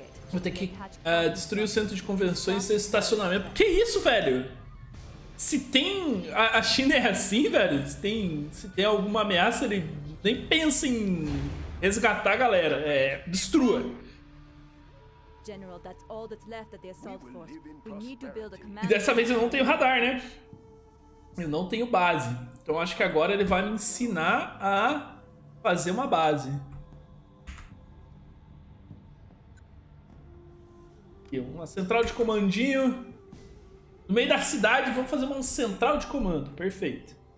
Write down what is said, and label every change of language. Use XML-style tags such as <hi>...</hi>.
<pt>Vou ter que destruir o centro de convenções e estacionamento. Que isso, velho? Se tem... A China é assim, velho? Se tem alguma ameaça, ele nem pensa em resgatar a galera. É, destrua.</pt> <en>General, that's all that's left of the assault force. We need to build a command.</en> <pt>E dessa vez eu não tenho radar, né? Eu não tenho base. Então acho que agora ele vai me ensinar a fazer uma base. Aqui, uma central de comandinho. No meio da cidade, vamos fazer uma central de comando. Perfeito.</pt>